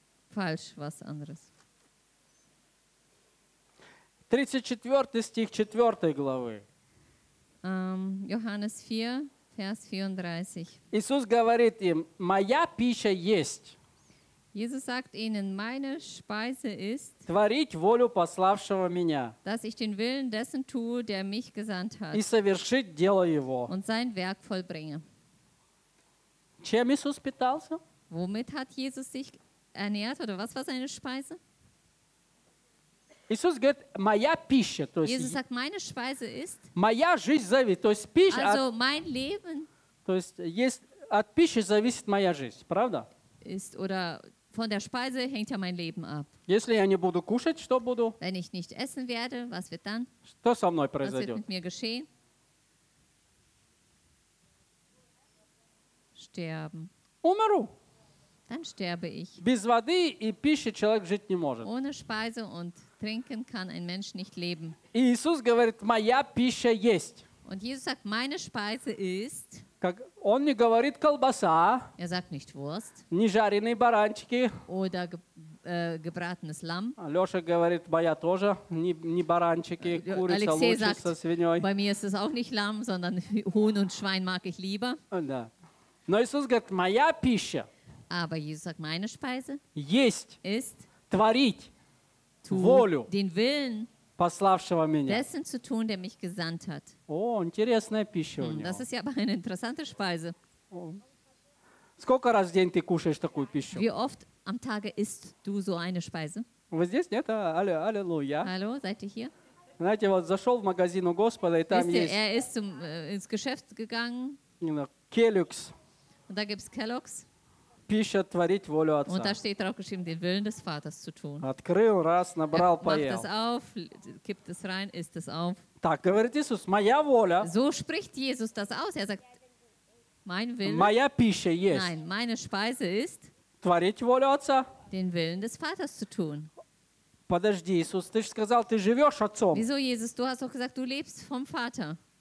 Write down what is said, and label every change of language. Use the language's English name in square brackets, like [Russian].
[German] Falsch, was anderes. [Russian] 34 стих 4 главы. [German] Johannes 4. Vers 34. [Russian] Иисус говорит им, моя пища есть. [German] Jesus sagt ihnen, meine Speise ist, [Russian] творить волю пославшего меня. [German] Dass ich den Willen dessen tue, der mich gesandt hat. [Russian] И совершить дело его. [German] Und sein Werk vollbringe. [Russian] Чем Иисус питался? [German] Womit hat Jesus sich ernährt oder was war seine Speise? [Russian] Иисус говорит, моя пища, то есть [German] Jesus sagt, meine Speise ist, [Russian] моя жизнь зависит, то есть пища, [German] also mein Leben, [Russian] то есть, от пищи зависит моя жизнь, правда? [German] Ist, oder von der Speise hängt ja mein Leben ab. [Russian] Если я не буду кушать, что буду? [German] Wenn ich nicht essen werde, was wird dann? [Russian] Что со мной произойдет? [German] Was wird mit mir geschehen? Sterben. [Russian] Умру. [German] Dann sterbe ich. [Russian] Без воды и пищи человек жить не может. [German] Ohne Speise und trinken kann ein Mensch nicht leben. [Russian] Иисус говорит, моя пища есть. [German] Und Jesus sagt, meine Speise ist. [Russian] Как, он не говорит колбаса. [German] Er sagt nicht Wurst. [Russian] Не жареные баранчики. [German] Oder gebratenes Lamm. [Russian] Алёша говорит, моя тоже не баранчики, курица лучше [German] sagt, [Russian] со свиньей. [German] Bei mir ist es auch nicht Lamm, sondern Huhn und Schwein mag ich lieber. [Russian] Да. Но Иисус говорит, моя пища. [German] Aber Jesus sagt, meine Speise [Russian] есть [German] ist [Russian] творить волю [German] den Willen [Russian] пославшего меня. [German] Dessen zu tun, der mich gesandt hat. [Russian] Oh, интересная пища у него. [German] Das ist ja aber eine interessante Speise. [Russian] Сколько раз в день ты кушаешь такую пищу? [German] Wie oft am Tage isst du so eine Speise? [Russian] Вы здесь? Нет? Аллилуйя. [German] Hallo, seid ihr hier? [Russian] Знаете, вот зашел в магазин у Господа, и там есть... [German] Er ist zum, ins Geschäft gegangen. Kellogg's. Und da gibt's Kellogg's. [Russian] Пища творить волю Отца. [German] Und da steht drauf geschrieben, den Willen des Vaters zu tun. [Russian] Открыл, раз, набрал, [German] er [Russian] поел. [German] Macht das auf, kippt es rein, isst es auf. Так, говорит Иисус, моя воля. So spricht Jesus das aus. Er sagt, mein Willen... [Russian] Моя пища есть. [German] Nein, meine Speise ist... [Russian] Творить волю Отца. [German] Den Willen des Vaters zu tun. [Russian] Подожди, Иисус, ты же сказал, ты живешь отцом. [German] Wieso, Jesus, du hast doch gesagt, du lebst vom Vater.